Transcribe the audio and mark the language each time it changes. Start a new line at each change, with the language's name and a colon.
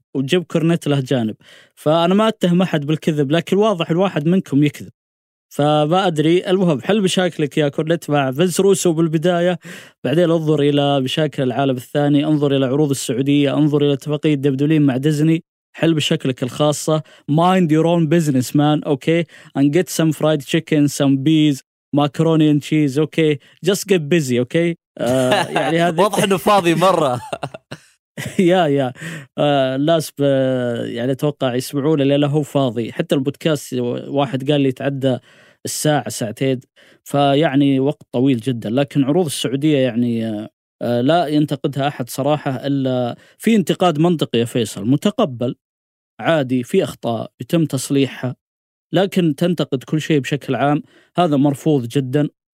Arabic: وجيب كورنيت له جانب. فأنا ما أتهم أحد بالكذب، لكن واضح الواحد منكم يكذب، فما أدري. المهم حل مشاكلك يا كورنيت مع فينس روسو بالبداية، بعدين انظر إلى مشاكل العالم الثاني، انظر إلى عروض السعودية، انظر إلى اتفاقية دبدولين مع ديزني، حل بشكلك الخاصة.
English: mind your own business man okay and get some fried chicken some bees macaroni and cheese okay just get busy okay
Arabic: يعني هذا واضح إنه فاضي مرة. يا الناس يعني توقع يسمعون اللي له فاضي، حتى البودكاست واحد قال لي تعدى الساعة ساعتين، فيعني وقت طويل جدا. لكن عروض السعودية يعني لا ينتقدها أحد صراحة، إلا في انتقاد منطقي يا فيصل متقبل عادي، في أخطاء يتم تصليحها، لكن تنتقد كل شيء بشكل عام هذا مرفوض جدا.